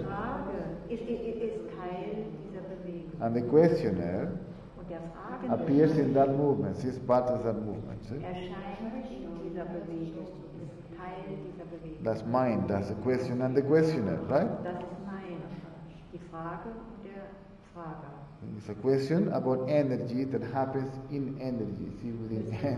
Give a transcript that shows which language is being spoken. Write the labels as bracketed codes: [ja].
[de] Frage is Teil dieser Bewegung. [en] And the questioner [de] und der [en] appears in that movement. He's part of that movement. [de] Erscheint in dieser Bewegung. Ist Teil dieser Bewegung. [en] That's mine. That's the question and the questioner, right? [de] Das ist mein. Die Frage und der Frage. [en] It's a question about energy that happens in energy, see, within